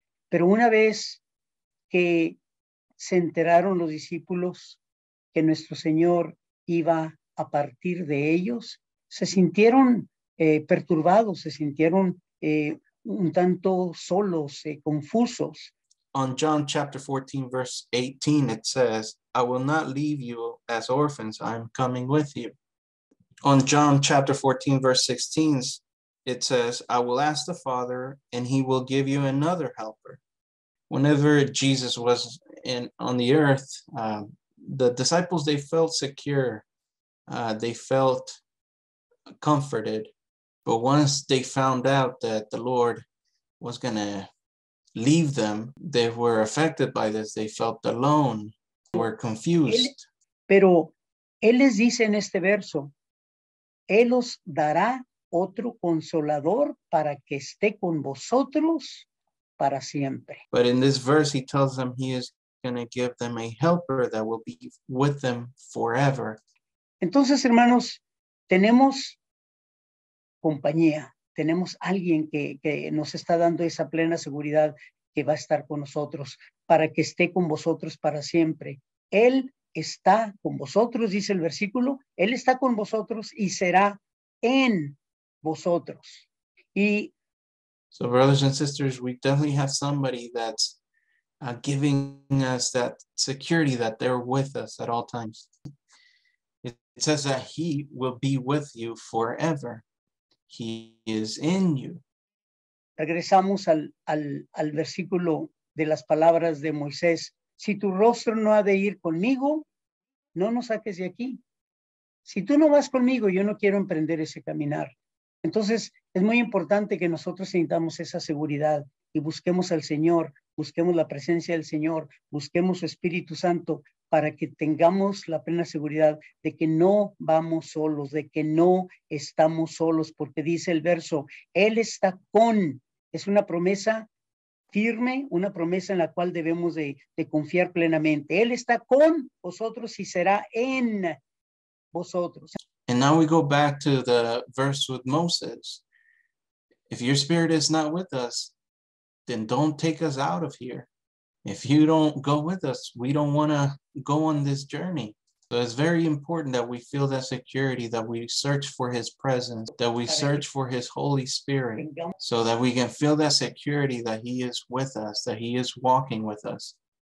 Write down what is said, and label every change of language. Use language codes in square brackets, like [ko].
[es] Pero una vez que se enteraron los discípulos que nuestro Señor iba a partir de ellos, se sintieron perturbados, se sintieron un tanto solos, confusos. [en] On John chapter 14, verse 18, it says, I will not leave you as orphans. I'm coming with you. On John chapter 14, verse 16, it says, I will ask the Father and he will give you another helper. Whenever Jesus was on the earth, the disciples, they felt secure. They felt comforted. But once they found out that the Lord was going to leave them, they were affected by this. They felt alone, were confused. [es] Pero él les dice en este verso, él os dará otro consolador para que esté con vosotros para siempre. [en] But in this verse, he tells them he is going to give them a helper that will be with them forever. [es] Entonces, hermanos, tenemos compañía. Tenemos alguien que nos está dando esa plena seguridad que va a estar con nosotros, para que esté con vosotros para siempre. Él está con vosotros, dice el versículo, Él está con vosotros y será en vosotros. Y [en] so, brothers and sisters, we definitely have somebody that's giving us that security that they're with us at all times. It says that He will be with you forever. He is in you. [es] Regresamos al versículo de las palabras de Moisés. Si tu rostro no ha de ir conmigo, no nos saques de aquí. Si tú no vas conmigo, yo no quiero emprender ese caminar. Entonces, es muy importante que nosotros sintamos esa seguridad y busquemos al Señor, busquemos la presencia del Señor, busquemos su Espíritu Santo para que tengamos la plena seguridad de que no vamos solos, de que no estamos solos, porque dice el verso, Él está con, es una promesa firme, una promesa en la cual debemos de confiar plenamente. Él está con vosotros y será en vosotros. [en] And now we go back to the verse with Moses. If your spirit is not with us, then don't take us out of here. If you don't go with us, we don't want to go on this journey. So it's very important that we feel that security, that we search for His presence, that we search for His Holy Spirit, so that we can feel that security that He is with us, that He is walking with us.